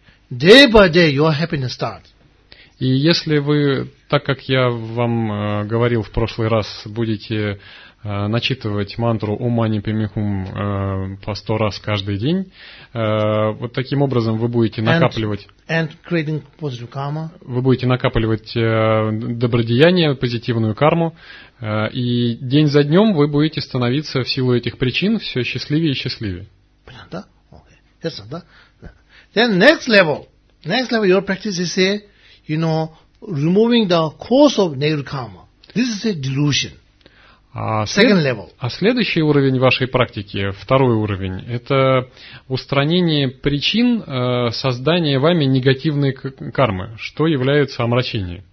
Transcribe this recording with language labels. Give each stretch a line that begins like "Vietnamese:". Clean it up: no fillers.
English: Day by day, your happiness starts.
Russian: И если вы, так как я вам говорил в прошлый раз, будете начитывать мантру Ом Мани Падме Хум по 100 раз каждый день, вот таким образом вы будете накапливать.
English: And creating positive karma.
Russian: Вы будете накапливать добродеяние, позитивную карму, и день за днем вы будете становиться в силу этих причин все счастливее и счастливее. Понятно? Okay.
English: Yes,
Russian: да?
English: Then next level your practice is say, you know, removing the cause of negative karma. This is a delusion. Second level.
Russian: А следующий уровень вашей практики, второй уровень, это устранение причин создания вами негативной кармы, что является омрачением.